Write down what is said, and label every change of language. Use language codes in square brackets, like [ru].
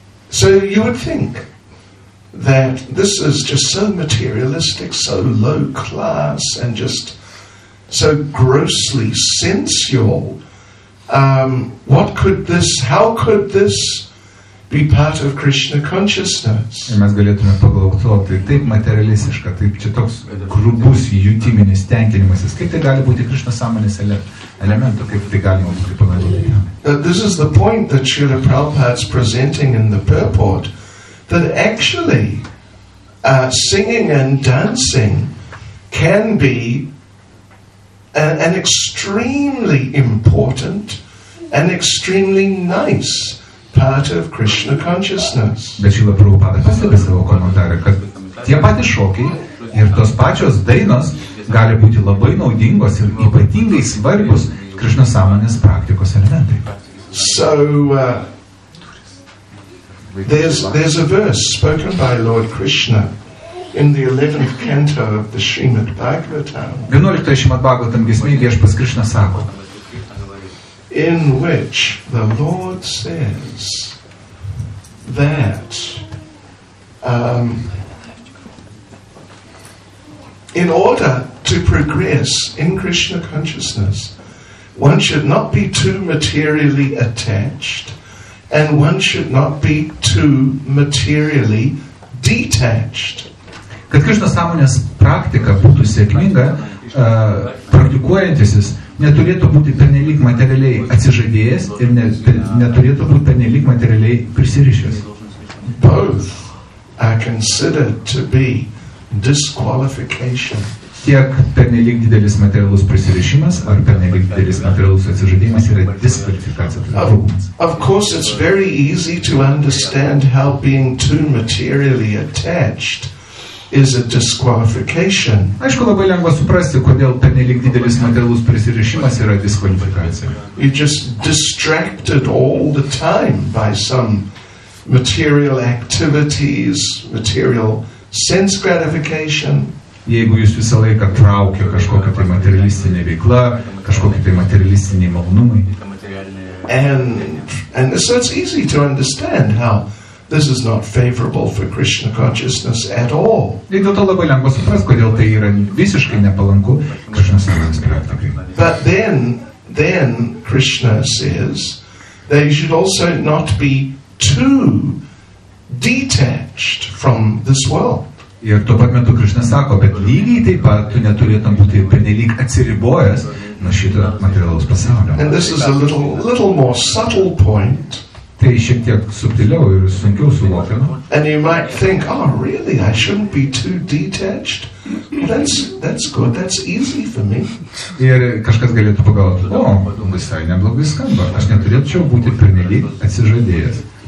[en] So you would think that this is just so materialistic, so low class, and just so grossly sensual. How could this be part of Krishna consciousness? [lt] Ir mes galėtume pagalvoti, tai taip materialistiška, taip čia toks grubus jutiminis tenkinimasis. Kaip tai gali būti Krishna sąmonės elementu, kaip tai galima būti panaudoti? [en] This is the point that Srila Prabhupada is presenting in the purport, that actually singing and dancing can be an extremely important and extremely nice part of Krishna consciousness. [lt] Bet Šila Prabhupada pastebė savo komentarą, kad tie patys šokiai ir tos pačios dainos gali būti labai naudingos ir ypatingai svarbios Krishna sąmonės praktikos elementai. [en] So There's a verse spoken by Lord Krishna in the 11th canto of the Srimad Bhagavatam. [lt] 11th Srimad Bhagavatam gesmė Viešpats Krishna sako. [en] In which the Lord says that in order to progress in Krishna consciousness, one should not be too materially attached. And one should not be too materially detached. [lt] Kad Krishna sąmonės praktika būtų sėkminga, praktikuojantisis neturėtų būti pernelyg materialiai atsižadėjęs ir neturėtų būti pernelyg materialiai prisirišęs. [en] Both are considered to be disqualification. [lt] Tiek pernelyg didelis materialus prisirišimas ar pernelyg didelis materialus atsižadėjimas yra diskvalifikacija. [en] Of course, it's very easy to understand how being too materially attached is a disqualification. [lt] Aišku, labai lengva suprasti, kodėl pernelyg didelis materialus prisirišimas yra diskvalifikacija. [en] You're just distracted all the time by some material activities, material sense gratification. [lt] Jeigu jūs visą laiką traukia kažkokia tai materialistinė veikla, kažkokia tai materialistiniai malonumai. [en] And so it's easy to understand how this is not favorable for Krishna consciousness at all. [lt] Ir dėl to labai lengva suprasti, kodėl tai yra visiškai nepalanku Krishna sąmonės praktikai. [en] But then Krishna says that you should also not be too detached from this world. [lt] Ir tuo pat metu Krishna sako, bet lygiai taip pat tu neturėtum būti pernelyg atsiribojęs nuo šito materialaus pasaulio. [en] And this is a little more subtle point. [lt] Tai šiek tiek subtiliau ir sunkiau suvokiama. [en] And you might think, oh really, I shouldn't be too detached. That's good, that's easy for me. [lt] Ir kažkas galėtų pagalvoti, o visai neblogai skamba, aš neturėčiau būti pernelyg atsižadėjęs.